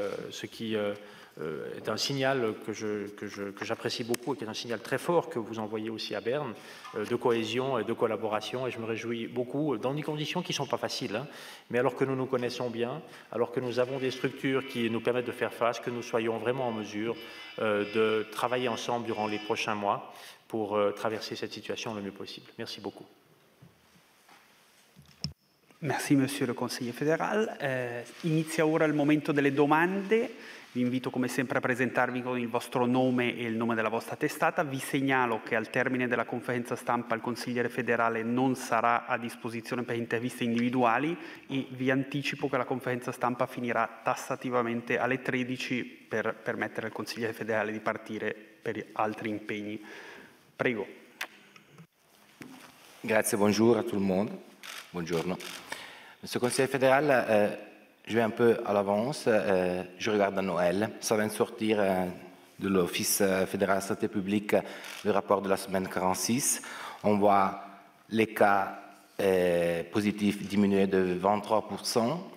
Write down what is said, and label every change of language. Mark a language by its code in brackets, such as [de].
[fr] Ce qui est un signal que j'apprécie beaucoup et qui est un signal très fort que vous envoyez aussi à Berne de cohésion et de collaboration, et je me réjouis beaucoup dans des conditions qui ne sont pas faciles, hein, mais alors que nous nous connaissons bien, alors que nous avons des structures qui nous permettent de faire face, que nous soyons vraiment en mesure de travailler ensemble durant les prochains mois pour traverser cette situation le mieux possible. Merci beaucoup. Merci, monsieur le conseiller fédéral. [it] Inizia ora il momento delle domande. Vi invito come sempre a presentarvi con il vostro nome e il nome della vostra testata. Vi segnalo che al termine della conferenza stampa il consigliere federale non sarà a disposizione per interviste individuali e vi anticipo che la conferenza stampa finirà tassativamente alle 13 per permettere al consigliere federale di partire per altri impegni. Prego. Grazie, buongiorno a tutto il mondo. Buongiorno. [fr] Monsieur [it] consigliere federale, [fr] je vais un peu à l'avance, je regarde à Noël. Ça vient de sortir de l'Office fédéral de la santé publique le rapport de la semaine 46. On voit les cas positifs diminuer de 23%.